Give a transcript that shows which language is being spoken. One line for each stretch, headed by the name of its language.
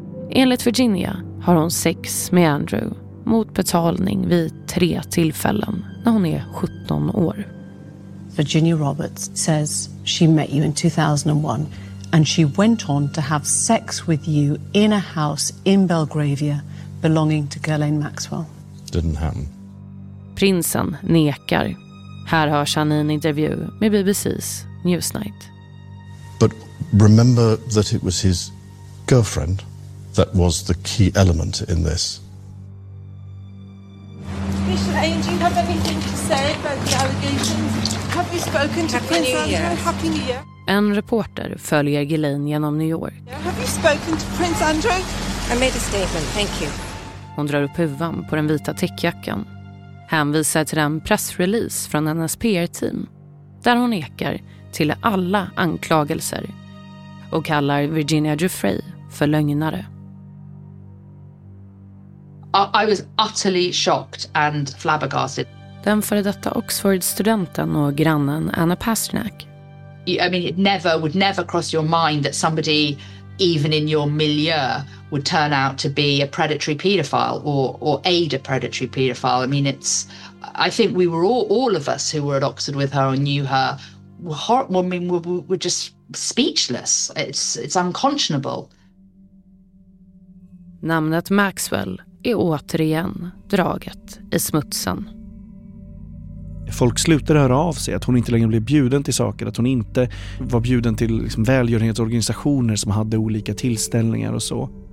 Swedish: Enligt Virginia har hon sex med Andrew mot betalning vid 3 tillfällen när hon är 17 år.
English: Virginia Roberts says she met you in 2001 and she went on to have sex with you in a house in Belgravia belonging to Ghislaine Maxwell. Didn't happen.
Swedish: Prinsen nekar. Här hörs han i en intervju med BBC's Newsnight.
English: But remember that it was his girlfriend that was the key element in this. Commissioner Ayn, do you have anything to say about the allegations? Have you spoken to Prince Andrew? Happy New Year.
Swedish: En reporter följer Ghislaine genom New York.
English: Have you spoken to Prince Andrew? I made a statement, thank you.
Swedish: hon drar upp huvan på den vita täckjackan. Hänvisar till en pressrelease från hennes PR-team där hon nekar till alla anklagelser och kallar Virginia Giuffrey för lögnare.
English: I was utterly shocked and flabbergasted.
Swedish: Den före detta Oxford-studenten och grannen Anna Pasternak.
English: I mean, it never would never cross your mind that somebody even in your milieu would turn out to be a predatory pedophile or aid a predatory pedophile. I mean, it's, I think we were all of us who were at Oxford with her and knew her were horrible. I mean, we're just speechless. It's unconscionable.
Swedish: Namnet Maxwell är återigen draget i smutsen. Folk slutar höra av sig att hon inte längre blev bjuden till saker, att hon inte var bjuden till liksom välgörenhetsorganisationer som hade olika tillställningar och så.